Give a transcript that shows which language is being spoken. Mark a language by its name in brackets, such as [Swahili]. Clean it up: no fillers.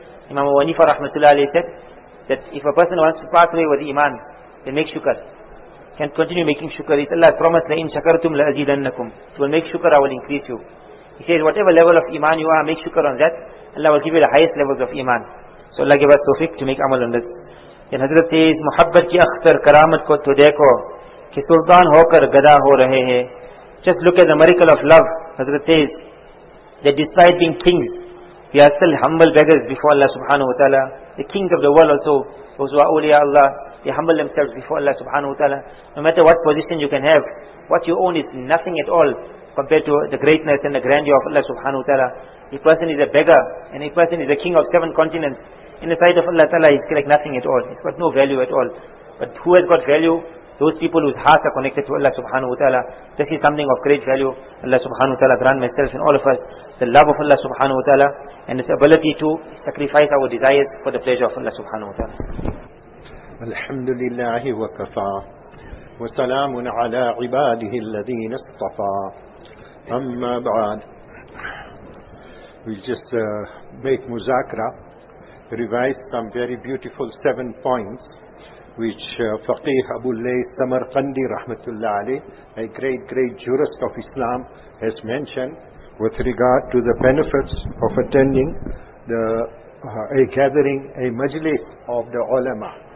[English] Imam Abu Hanifa rahmatullah alayhi said, that if a person wants to pass away with iman, then make shukr. Can continue making shukr. It's Allah's promise, [Arabic] لَإِن شَكَرْتُمْ لَأَزِيدَنَّكُمْ. [English] It will make shukr, I will increase you. He says, whatever level of iman you are, make shukr on that. Allah will give you the highest levels of iman. So Allah give us tawfiq to make amal on this. Then Hazrat says, [Urdu] محبت کی اختر کرامت کو تو دیکھو کہ سلطان ہو کر گدا ہو رہے ہیں. [English] Just look at the miracle of love. Hazrat says, that despite being kings, we are still humble beggars before Allah subhanahu wa ta'ala. The kings of the world also, those who are awliya Allah, they humble themselves before Allah subhanahu wa ta'ala. No matter what position you can have, what you own is nothing at all compared to the greatness and the grandeur of Allah subhanahu wa ta'ala. A person is a beggar, and a person is a king of seven continents. In the sight of Allah ta'ala, it's like nothing at all. It's got no value at all. But who has got value? Those people whose hearts are connected to Allah subhanahu wa ta'ala. This is something of great value. Allah subhanahu wa ta'ala grant myself and all of us the love of Allah subhanahu wa ta'ala, and its ability to sacrifice our desires for the pleasure of Allah subhanahu wa ta'ala. [Arabic] الحمد لله وكفى وسلام على عباده الذين اصطفى أما بعد. [English] We'll just make muzakara, revise some very beautiful seven points which Faqih Abu Layth Samarqandi rahmatullah alayh, a great, great jurist of Islam, has mentioned with regard to the benefits of attending a majlis of the ulama.